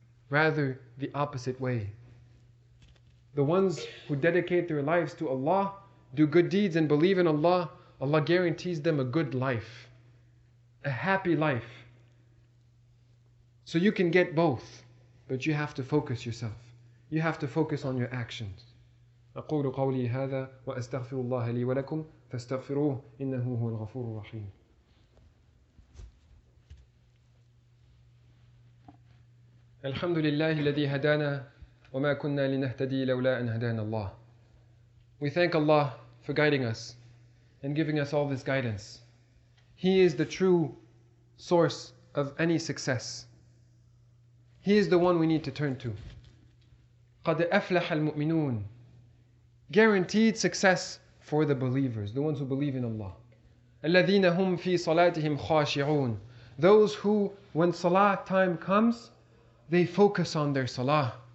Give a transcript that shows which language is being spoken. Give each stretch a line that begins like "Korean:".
English: Rather, the opposite way. The ones who dedicate their lives to Allah, do good deeds and believe in Allah, Allah guarantees them a good life, a happy life. So you can get both, but you have to focus yourself. You have to focus on your actions.
Arabic: أقول قولي هذا وأستغفر الله لي ولكم فاستغفروه إنه هو الغفور الرحيم الحمد لله الذي هدانا وما كنا لنهتدي لولا أن هدانا الله
English: We thank Allah for guiding us and giving us all this guidance. He is the true source of any success. He is the one we need to turn to.
Arabic: قد أفلح المؤمنون
English: Guaranteed success for the believers, the ones who believe in Allah.
Arabic: الَّذِينَ هُمْ فِي صَلَاتِهِمْ خَاشِعُونَ
English: Those who, when salah time comes, they focus on their salah.